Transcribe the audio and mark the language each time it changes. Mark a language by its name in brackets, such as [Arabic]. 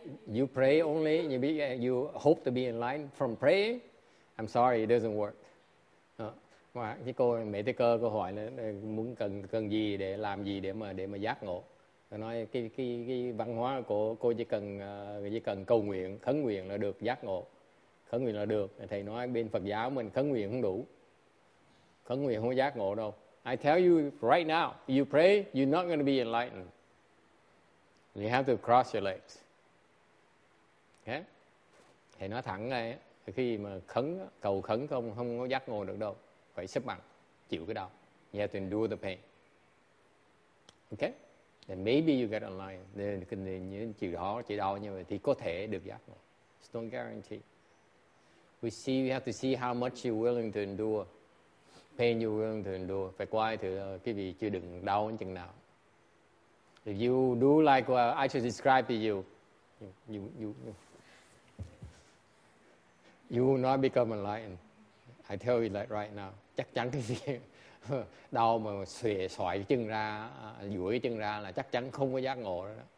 [English] You pray only, you hope to be in line from praying. I'm sorry, it doesn't work. [Vietnamese] Mà cái cô mẹ tế cơ cô hỏi là muốn cần gì để làm gì để mà giác ngộ. Cô nói cái văn hóa của cô chỉ cần cầu nguyện, khấn nguyện là được giác ngộ. Khấn nguyện là được. Thầy nói bên Phật giáo mình khấn nguyện không đủ. Khấn nguyện không có giác ngộ đâu. [English] I tell you right now, you pray, you're not going to be enlightened. You have to cross your legs. Thế okay. [Vietnamese] Nói thẳng ngay, khi mà cầu khấn không có giác ngộ được đâu, phải xếp bằng, chịu cái đau. [English] You have to endure the pain. [Vietnamese] Ok? [English] Then maybe you get online. Then you [Vietnamese] chịu đó, chịu đau như vậy thì có thể được giác ngộ. [English] It's not guaranteed. We have to see how much you're willing to endure. Pain you're willing to endure. [Vietnamese] Phải quay thử cái vị chưa đừng đau đến chừng nào. [English] If you do like what I just described to you, You will not become enlightened. I tell you that right now. [Vietnamese] Chắc chắn cái gì đau mà xòe xoại chân ra, duỗi chân ra là chắc chắn không có giác ngộ đó.